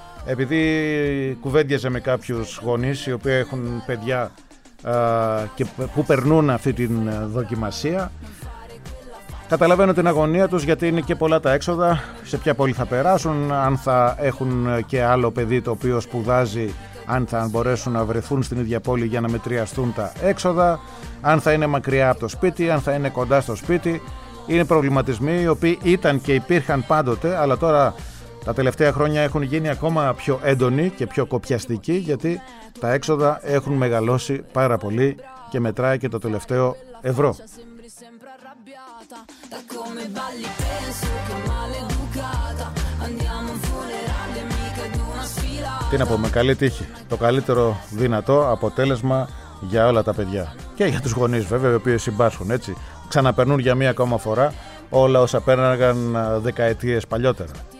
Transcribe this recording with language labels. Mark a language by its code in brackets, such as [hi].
[el] Επειδή κουβέντιαζε με κάποιους γονείς οι οποίοι έχουν παιδιά και που περνούν αυτή την δοκιμασία, καταλαβαίνω την αγωνία τους, γιατί είναι και πολλά τα έξοδα, σε ποια πόλη θα περάσουν, αν θα έχουν και άλλο παιδί το οποίο σπουδάζει, αν θα μπορέσουν να βρεθούν στην ίδια πόλη για να μετριαστούν τα έξοδα, αν θα είναι μακριά από το σπίτι, αν θα είναι κοντά στο σπίτι. Είναι προβληματισμοί οι οποίοι ήταν και υπήρχαν πάντοτε, αλλά τώρα τα τελευταία χρόνια έχουν γίνει ακόμα πιο έντονοι και πιο κοπιαστικοί, γιατί τα έξοδα έχουν μεγαλώσει πάρα πολύ και μετράει και το τελευταίο ευρώ. [it] Da come balli penso che maleducata [el] Τι να πούμε, καλή τύχη. Το καλύτερο δυνατό αποτέλεσμα για όλα τα παιδιά. Και για τους γονείς βέβαια, οι οποίοι συμπάσχουν έτσι. Ξαναπερνούν για μία ακόμα φορά όλα όσα πέραγαν δεκαετίες παλιότερα.